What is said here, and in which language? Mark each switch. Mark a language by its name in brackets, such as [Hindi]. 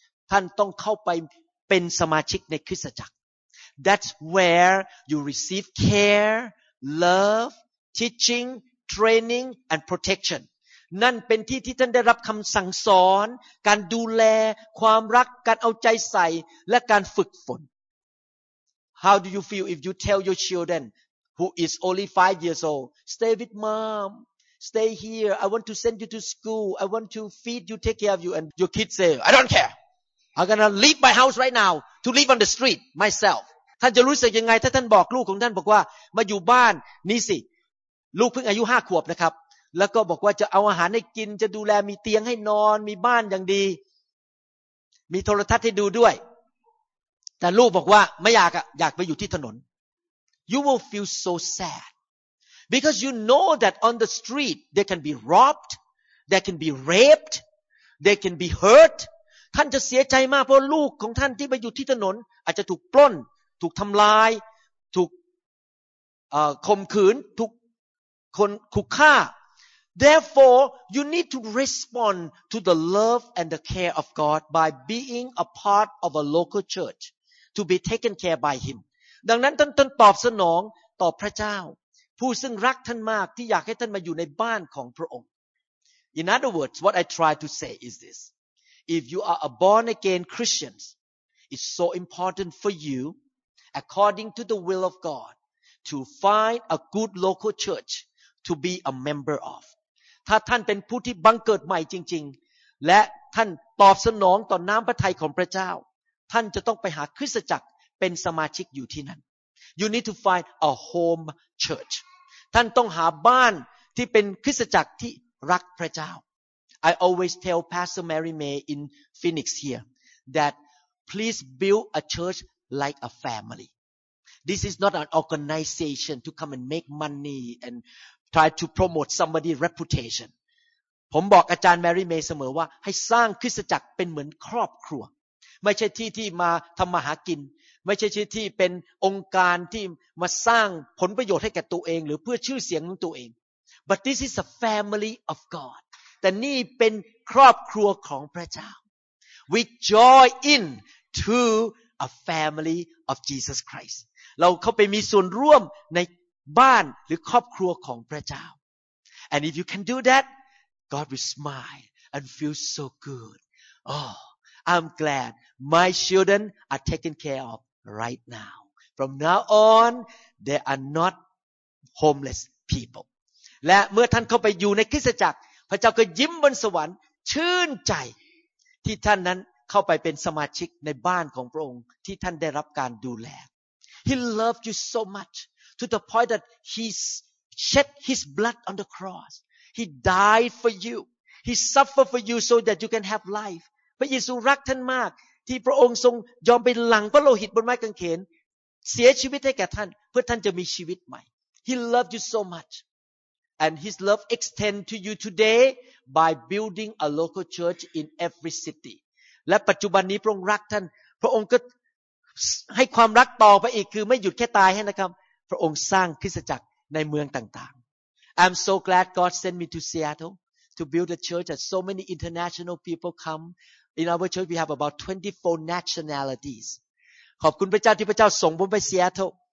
[Thai] ท่านต้องเข้าไปเป็นสมาชิกในคริสตจักร [English] that's where you receive care love teaching training and protection [Thai] นั่นเป็นที่ที่ท่านได้รับคำสั่งสอนการดูแลความรักการเอาใจใส่และการฝึกฝน [English] how do you feel if you tell your children who is only 5 years old stay with momStay here. I want to send you to school. I want to feed you, take care of you. And your kids say, I don't care. I'm going to leave my house right now to live on the street myself. [Thai] ท่านจะรู้สึกยังไงถ้าท่านบอกลูกของท่านบอกว่ามาอยู่บ้านนี้สิลูกเพิ่งอายุ5ขวบนะครับแล้วก็บอกว่าจะเอาอาหารให้กินจะดูแลมีเตียงให้นอนมีบ้านอย่างดีมีโทรทัศน์ให้ดูด้วยแต่ลูกบอกว่าไม่อยากอยากไปอยู่ที่ถนน [English] You will feel so sadBecause you know that on the street they can be robbed, they can be raped, they can be hurt. [Thai] ท่านจะเสียใจมากเพราะลูกของท่านที่ไปอยู่ที่ถนนอาจจะถูกปล้นถูกทำลายถูกข่มขืนถูกคนขู่ฆ่า [English] Therefore, you need to respond to the love and the care of God by being a part of a local church to be taken care by Him. [Thai] ดังนั้นท่านตอบสนองต่อพระเจ้าผู้ซึ่งรักท่านมากที่อยากให้ท่านมาอยู่ในบ้านของพระองค์ [English] In other words what I try to say is this if you are a born again Christians it's so important for you according to the will of God to find a good local church to be a member of [Thai] ถ้าท่านเป็นผู้ที่บังเกิดใหม่จริงๆและท่านตอบสนองต่อน้ำพระทัยของพระเจ้าท่านจะต้องไปหาคริสตจักรเป็นสมาชิกอยู่ที่นั่น [English] You need to find a home church. [Thai] ท่านต้องหาบ้านที่เป็นคริสตจักรที่รักพระเจ้า [English] I always tell Pastor Mary May in Phoenix here that please build a church like a family. This is not an organization to come and make money and try to promote somebody's reputation. [Thai] ผมบอกอาจารย์แมรี่เมย์เสมอว่าให้สร้างคริสตจักรเป็นเหมือนครอบครัวไม่ใช่ที่ที่มาทำมาหากินไม่ใช่ชื่อที่เป็นองค์การที่มาสร้างผลประโยชน์ให้แก่ตัวเองหรือเพื่อชื่อเสียงของตัวเอง [English] But this is a family of God [Thai] แต่นี่เป็นครอบครัวของพระเจ้า [English] We join in to a family of Jesus Christ [Thai] เราเข้าไปมีส่วนร่วมในบ้านหรือครอบครัวของพระเจ้า [English] And if you can do that God will smile and feel so good Oh I'm glad my children are taken care ofright now from now on they are not homeless people [Thai] และเมื่อท่านเข้าไปอยู่ในคริสตจักรพระเจ้าก็ยิ้มบนสวรรค์ชื่นใจที่ท่านนั้นเข้าไปเป็นสมาชิกในบ้านของพระองค์ที่ท่านได้รับการดูแล [English] He loved you so much to the point that he shed his blood on the cross he died for you he suffered for you so that you can have life [Thai] พระเยซูรักท่านมากที่พระองค์ทรงยอมเป็นหลังพระโลหิตบนไม้กางเขนเสียชีวิตให้แก่ท่านเพื่อท่านจะมีชีวิตใหม่ [English] He loved you so much and his love extend to you today by building a local church in every city [Thai] และปัจจุบันนี้พระองค์รักท่านพระองค์ก็ให้ความรักต่อไปอีกคือไม่หยุดแค่ตายให้นะครับพระองค์สร้างคริสตจักรในเมืองต่างๆ [English] I'm so glad God sent me to Seattle to build a church that so many international people come in our church we have about 24 nationalities [Thai] ขอบคุณพระเจ้าที่พระเจ้าส่งผมไปซีแอตเทิล